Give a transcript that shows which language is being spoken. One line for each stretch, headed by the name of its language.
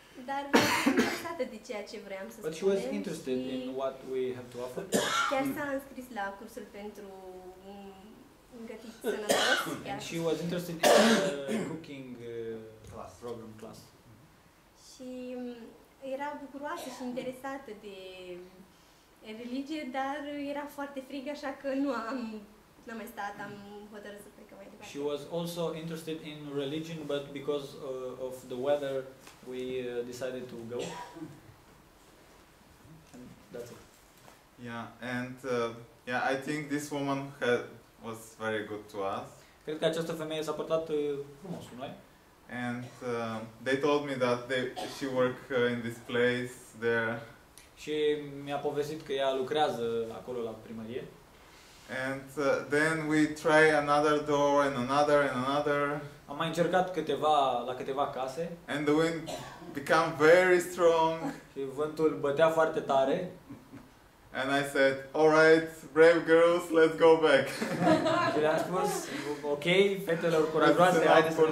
Romanian: Dar interesată de ceea ce vroiam să spun.
English: But she was interested in what we have to offer.
Romanian: Chiar s-a înscris la cursul pentru un gătit sănătos.
English: And she was interested in the cooking program class.
Romanian: Și era bucuroasă și interesată de religie, dar era foarte frig, așa că n-am mai stat, am hotărât să plec mai departe.
English: She was also interested in religion, but because of the weather, we decided to go. And that's it. Yeah, and I think this woman was very good to us.
Romanian: Cred că această femeie s-a portat frumos cu noi.
English: And they told me that she work in this place there.
Romanian: Și mi-a povestit că ea lucrează acolo la primărie.
English: And then we try another door and another and another.
Romanian: Am mai încercat câteva case.
English: And the wind became very strong.
Romanian: Și vântul bătea foarte tare.
English: And I said, "All right, brave girls, let's go back."
Romanian: Și le-am spus, "Okay, fetelor curajoase, haideți să ne